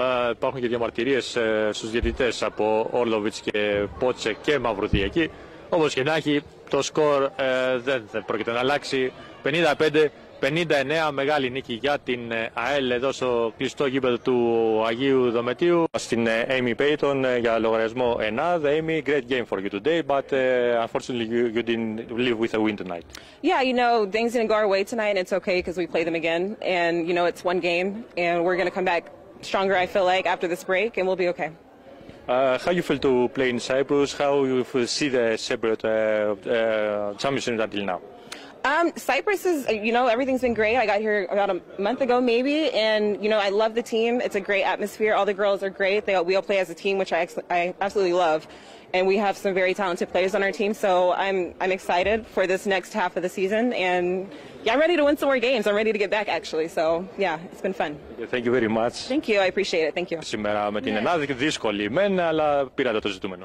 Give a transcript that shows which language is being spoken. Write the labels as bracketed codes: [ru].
[el] Υπάρχουν και διαμαρτυρίες στους διαιτητές από Όρλοβιτς και Πότσε και Μαυρουδί εκεί. Όπως και να έχει, το σκορ δεν πρόκειται να αλλάξει. 55-59, μεγάλη νίκη για την ΑΕΛ εδώ στο κλειστό γήπεδο του Αγίου Δομετίου. Στην Amy Payton για λογαριασμό ΕΝΑΔ. [en] Amy, great game for you today, but unfortunately you didn't live with a win tonight. Yeah, you know, things didn't go our way tonight and it's okay because we play them again. And you know, it's one game and we're going to come back stronger, I feel like, after this break and we'll be okay. How you feel to play in Cyprus? How you see the Cypriot championship until now? Cyprus is, you know, everything's been great. I got here about a month ago, maybe, and you know, I love the team. It's a great atmosphere. All the girls are great. We all play as a team, which I absolutely love, and we have some very talented players on our team. So I'm excited for this next half of the season, and yeah, I'm ready to win some more games. I'm ready to get back, actually. So yeah, it's been fun. Thank you very much. Thank you. I appreciate it. Thank you. [el] Σήμερα με την Ελλάδα είναι δύσκολη, αλλά πήρατε το ζητούμενο.